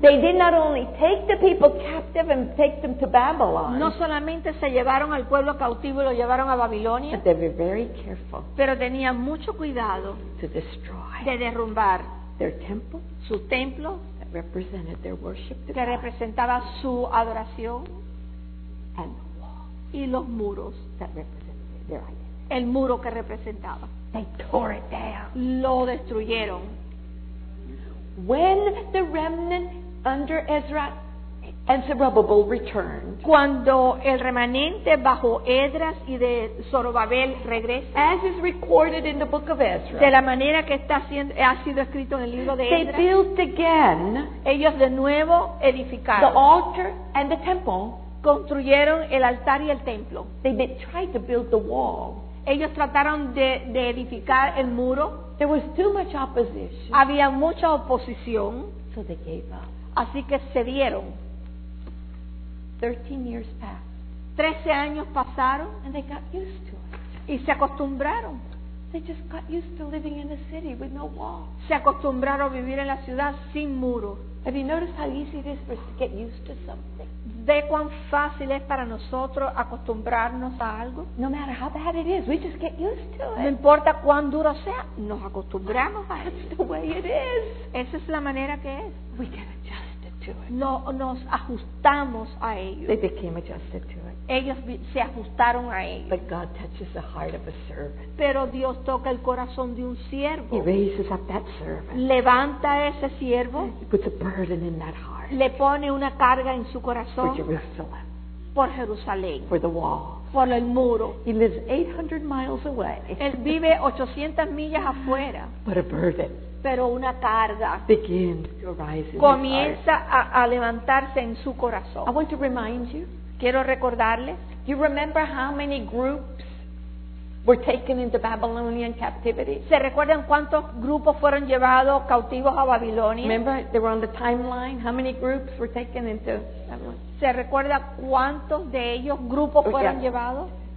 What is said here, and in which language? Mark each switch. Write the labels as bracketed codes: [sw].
[en] they did not only take the people captive and take them to Babylon. [es] No solamente se llevaron al pueblo cautivo y lo llevaron a Babilonia, [en] but they were very careful. [es] Pero tenían mucho cuidado [en] to destroy [es] de derrumbar [en] their temple, [es] su templo [en] that represented their worship to [es] que [en] God. [es] Representaba su adoración [en] and the wall, [es] y los muros [en] that represented their identity. [es] El muro que representaba. [en] They tore it down. [es] Lo destruyeron. [en] When the remnant under Ezra and Zerubbabel returned. [es] Cuando el remanente bajo Esdras y de Zorobabel regresa. [en] As is recorded in the book of Ezra. [es] De la manera que ha sido escrito en el libro de Esdras. [en] They built again. [es] Ellos de nuevo edificaron. [en] The altar and the temple. [es] Construyeron el altar y el templo. [en] They tried to build the wall. [es] Ellos trataron de edificar el muro. [en] There was too much opposition. [es] Había mucha oposición. [en] So they gave up. [es] Así que cedieron. [en] 13 years passed. [es] 13 años pasaron. [en] And they got used to it. [es] Y se acostumbraron. [en] They just got used to living in a city with no walls. [es] Se acostumbraron a vivir en la ciudad sin muros. [en] Have you noticed how easy it is for us to get used to something? [es] ¿Ve cuán fácil es para nosotros acostumbrarnos a algo? [en] No matter how bad it is, we just get used to it. [es] No importa cuán duro sea, nos acostumbramos a [en] it. That's the way it is. [es] Esa es la manera que es. [en] We get adjusted to it. [es] No, nos ajustamos a ello. [en] They became adjusted to it. [es] Ellos se ajustaron a ello. [en] But God touches the heart of a servant. [es] Pero Dios toca el corazón de un siervo. [en] He raises up that servant. [es] Levanta a ese siervo. [en] He puts a burden in that heart. [es] Le pone una carga en su corazón. [en] For Jerusalem. [es] Por Jerusalén. [en] For the wall. [es] Por el muro. [en] He lives 800 miles away. [es] Él vive 800 millas afuera. [en] But a burden. [es] Pero una carga. [en] Begins to arise in [es] comienza a levantarse en su corazón. [en] I want to remind you. [es] Quiero recordarles. [en] You remember how many groups were taken into Babylonian captivity? [es] ¿Se recuerdan cuántos grupos fueron llevados cautivos a Babilonia? [en] Remember, they were on the timeline. How many groups were taken into Babylonia? [es] ¿Se recuerda cuántos de ellos grupos fueron llevados?